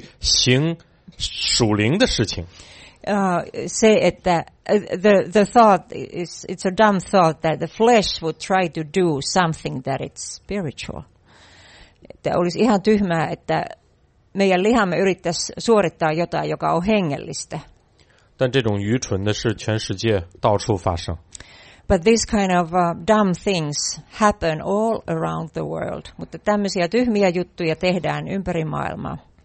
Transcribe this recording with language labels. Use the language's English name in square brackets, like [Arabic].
[Chinese] 用肉体去行属灵的事情。 [English] Say että the thought is it's a dumb thought that the flesh would try to do something that it's spiritual. [Finnish] Että olisi ihan tyhmää, että meidän lihamme yrittäisi suorittaa jotain, joka on hengellistä. [Chinese] 但这种愚蠢的事全世界到处发生。 [English] But these kind of dumb things happen all around the world. [Finnish] Mutta tämmöisiä tyhmiä juttuja tehdään ympäri maailmaa.